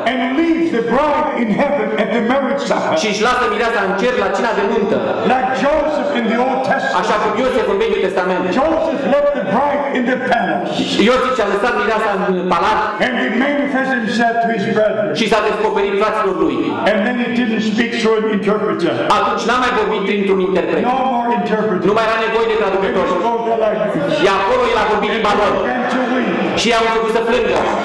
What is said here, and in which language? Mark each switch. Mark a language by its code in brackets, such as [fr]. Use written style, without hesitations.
[en] And leaves the bride in heaven at the marriage supper. [ro] Și își lasă mireasa în cer la cina de nuntă. [en] Like Joseph in the Old Testament. [ro] Așa cum Iosif în Vechiul Testament. [en] Joseph left the bride in the palace. [ro] Iosif și-a lăsat mireasa în palat. [en] And he manifested himself to his brethren. [ro] Și s-a descoperit fraților lui. [en] And then he didn't speak through an interpreter. [ro] Atunci n-a mai vorbit printr-un interpret. [en] No more interpreter. [ro] Nu mai era nevoie de traducător. Și acolo el a vorbit limba lor. Și au început să plângă.